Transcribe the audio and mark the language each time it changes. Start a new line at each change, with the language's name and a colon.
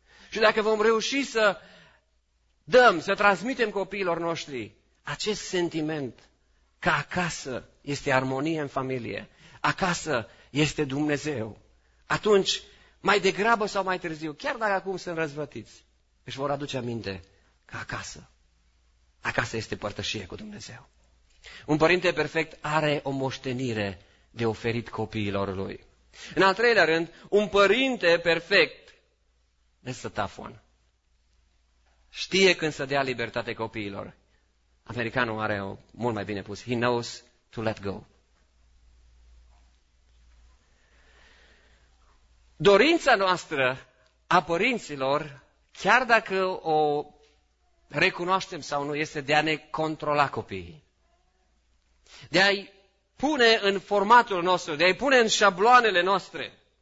Romanian: Și dacă vom reuși să dăm, să transmitem copiilor noștri acest sentiment că acasă este armonie în familie, acasă este Dumnezeu, atunci, mai degrabă sau mai târziu, chiar dacă acum sunt răzvătiți, își vor aduce aminte că acasă este părtășie cu Dumnezeu. Un părinte perfect are o moștenire de oferit copiilor lui. În al treilea rând, un părinte perfect, știe când să dea libertate copiilor. Americanul are o mult mai bine pus,
English: he knows to let go.
Romanian: Dorința noastră a părinților, chiar dacă o recunoaștem sau nu, este de a ne controla copiii. De a-i pune în formatul nostru, de a-i pune în șabloanele noastre.